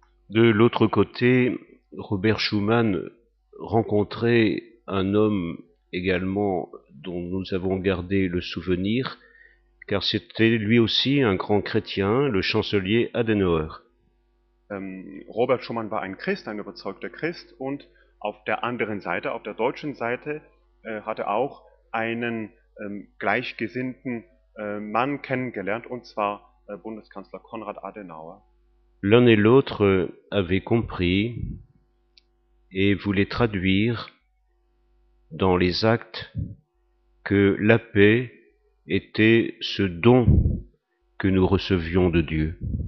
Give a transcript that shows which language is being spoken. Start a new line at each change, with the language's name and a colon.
French: De l'autre côté, Robert Schuman rencontrait un homme également dont nous avons gardé le souvenir, car c'était lui aussi un grand chrétien, le chancelier Adenauer.
German: Robert Schuman war ein Christ, ein überzeugter Christ, und auf der anderen Seite, auf der deutschen Seite, hat er auch einen gleichgesinnten Mann kennengelernt, und zwar Bundeskanzler Konrad Adenauer.
French: L'un et l'autre avaient compris et voulaient traduire dans les actes que la paix était ce don que nous recevions de Dieu.